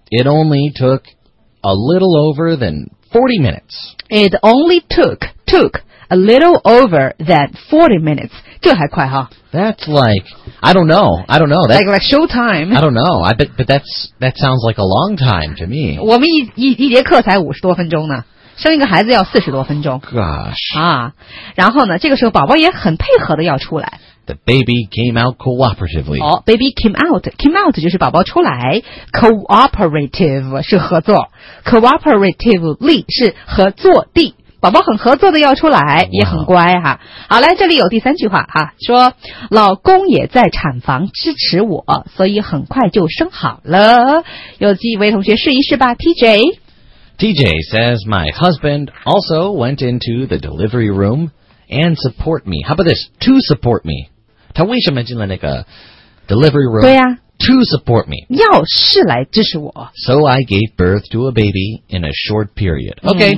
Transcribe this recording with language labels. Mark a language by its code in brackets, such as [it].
[en] It only took a little over than 40 minutes. It only took a little over than 40 minutes. [zh] 这还快哈。 [en] That's like, I don't know. That, like show time. I don't know. But that sounds like a long time to me. [zh] 我们一节课才五十多分钟呢。生一个孩子要四十多分钟、 [en] oh, gosh. [zh] 啊，然后呢，这个时候宝宝也很配合的要出来。 [en] The baby came out cooperatively. Oh, baby came out. Came out [zh] 就是宝宝出来。 [en] Cooperative [zh] 是合作。 Cooperatively 是合作地。宝宝很合作的要出来， [en] wow. [zh] 也很乖哈、啊。好来，这里有第三句话哈、啊，说老公也在产房支持我，所以很快就生好了。有几位同学试一试吧 ，TJ。 [en] TJ says, my husband also went into the delivery room and support me. How about this? To support me. [zh] 他为什么进了那个 [en] delivery room? [zh] 对啊。 [en] To support me. [zh] 要是来支持我。 [en] So I gave birth to a baby in a short period. Okay,、